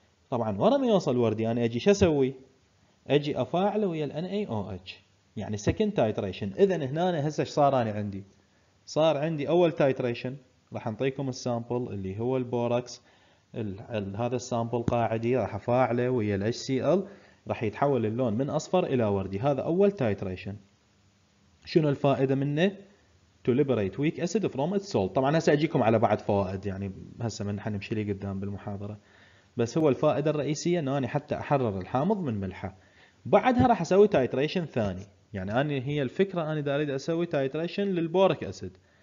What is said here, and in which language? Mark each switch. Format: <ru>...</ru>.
<ar>طبعا ورا ما يوصل وردي انا اجي شو اسوي؟ اجي افاعله ويا ال NaOH يعني سكند تايتريشن. اذا هنا هسه ايش صار؟ انا عندي صار عندي اول تايتريشن راح نعطيكم السامبل اللي هو البوركس، هذا السامبل قاعدي راح افاعله ويا ال HCl راح يتحول اللون من اصفر الى وردي، هذا اول تايتريشن. شنو الفائده منه؟</ar> <en>To liberate weak acid from its salt.</en> <ar>طبعا هسه اجيكم على بعض فوائد يعني هسه من حنمشي لي قدام بالمحاضره، بس هو الفائده الرئيسيه انه انا حتى احرر الحامض من ملحه. بعدها راح اسوي تايتريشن ثاني، يعني انا هي الفكره انا اريد اسوي تايتريشن للبوريك اسيد.</ar>